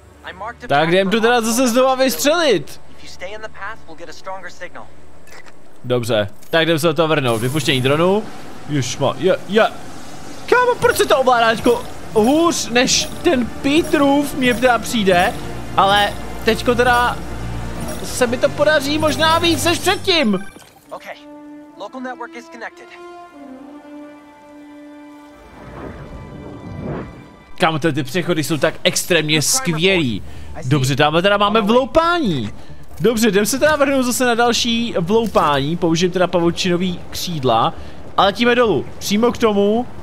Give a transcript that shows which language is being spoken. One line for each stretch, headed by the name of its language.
English: I marked
Czech: a tak jdem tu teda zase znova vystřelit.
English: If you stay in the path, we'll get a stronger signal.
Czech: Dobře, tak jdem se do toho vrhnout. Vypuštění dronu. Ježma, je, je. Kámo, proč se to ovládá jako hůř než ten Petrův mě teda přijde. Ale teďko teda se mi to podaří možná víc než předtím.
English: OK, local network is connected.
Czech: Kámo, ty přechody jsou tak extrémně skvělý. Dobře, tamhle teda máme vloupání. Dobře, jdem se teda vrhnout zase na další vloupání, použijem teda pavučinový křídla. A letíme dolů, přímo k tomu.